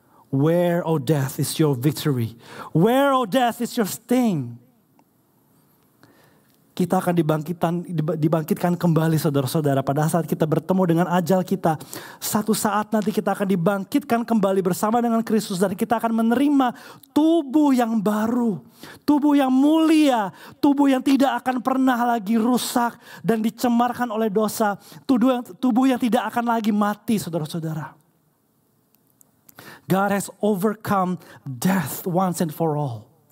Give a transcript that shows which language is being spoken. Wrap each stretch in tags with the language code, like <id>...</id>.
<en>Where, O death, is your victory? Where, O death, is your sting?</en> <id>Kita akan dibangkitkan kembali, saudara-saudara. Pada saat kita bertemu dengan ajal kita, satu saat nanti kita akan dibangkitkan kembali bersama dengan Kristus. Dan kita akan menerima tubuh yang baru. Tubuh yang mulia. Tubuh yang tidak akan pernah lagi rusak dan dicemarkan oleh dosa. Tubuh yang tidak akan lagi mati, saudara-saudara.</id> <en>God has overcome death once and for all.</en>